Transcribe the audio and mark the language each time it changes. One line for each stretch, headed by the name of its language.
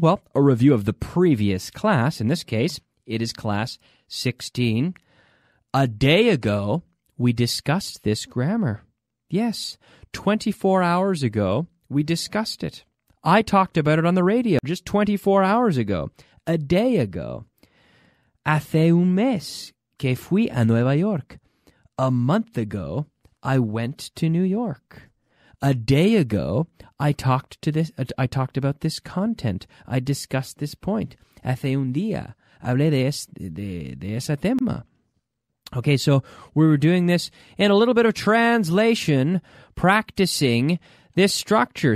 English: Well, a review of the previous class. In this case, it is Class 16. A day ago, we discussed this grammar. Yes, 24 hours ago, we discussed it. I talked about it on the radio just 24 hours ago. A day ago.
Spanish: Hace un mes que fui a Nueva York.
English: A month ago, I went to New York. A day ago, I talked about this content. I discussed this point.
Spanish: Hace un día, hablé de ese tema.
English: Okay, so we were doing this in a little bit of translation, practicing this structure.